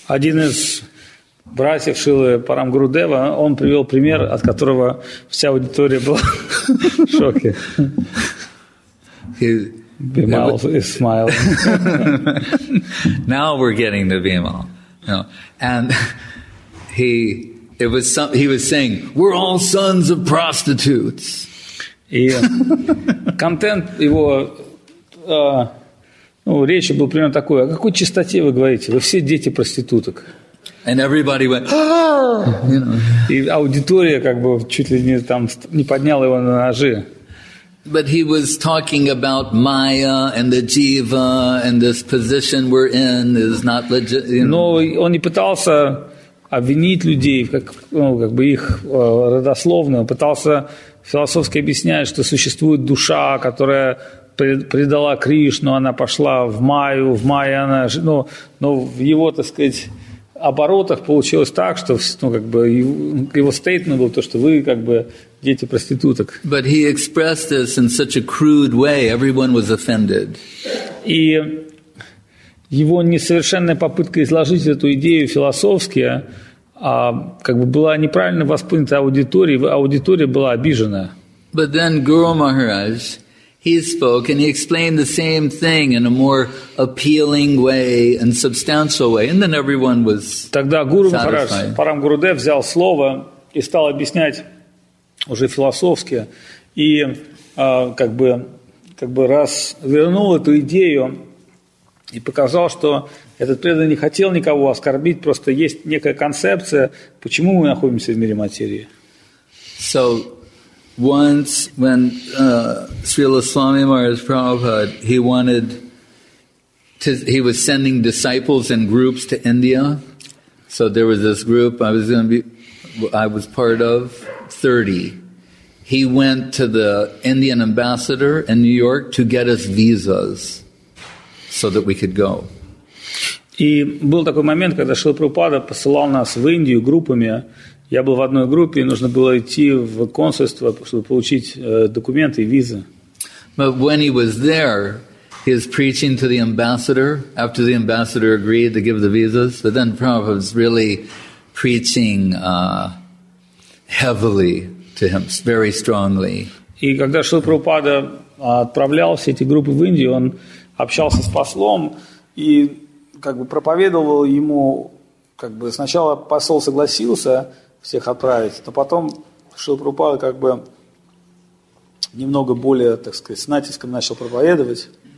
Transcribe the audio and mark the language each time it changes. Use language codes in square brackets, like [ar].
[ru] Один из братьев Шилы Парам Гуру Дева, он привел пример, от которого вся аудитория была в шоке. [en] Bimal is smiling. Now we're getting to Bimal. No. And he was saying, we're all sons of prostitutes. [ru] Контент его речи был примерно такой: о какой чистоте вы говорите? Вы все дети проституток. [en] And everybody went, you know. [ru] И аудитория как бы чуть ли не там не подняла его на ножи. [en] But he was talking about Maya and the Jiva and this position we're in is not legit. You know. [ru] Но он не пытался обвинить людей, как бы их родословно, он пытался философски объяснять, что существует душа, которая предала Кришну, она пошла в Майю, она, но в его, так сказать, оборотах получилось так, что его стейтмент был то, что вы как бы дети проституток. [en] But he expressed this in such a crude way, everyone was offended. [ru] И его несовершенная попытка изложить эту идею философски была неправильно воспринята аудиторией, аудитория была обижена. [en] But then Guru Maharaj, he spoke and he explained the same thing in a more appealing way and substantial way, and then everyone was satisfied. [ru] Тогда Гуру Махарадж, Парам Гуру Дев, взял слово и стал объяснять уже философски и развернул эту идею и показал, что этот преданный не хотел никого оскорбить, просто есть некая концепция, почему мы находимся в мире материи. [en] So, once when Srila Swami Maharaj Prabhupada, he was sending disciples in groups to India. So there was this group I was part of, 30. He went to the Indian ambassador in New York to get us visas so that we could go. [ru] И был такой момент, когда Шрила Прабхупада посылал нас в Индию группами. Я был в одной группе, и нужно было идти в консульство, чтобы получить документы и визы. [en] But when he was there, he was preaching to the ambassador, after the ambassador agreed to give the visas. But then Prabhupada was really preaching heavily to him, very strongly. [ru] И когда Шрила Прабхупада отправлял все эти группы в Индию, он общался с послом и проповедовал ему, сначала посол согласился всех отправить, но потом Шрила Прабхупада немного более, так сказать, с натиском начал проповедовать.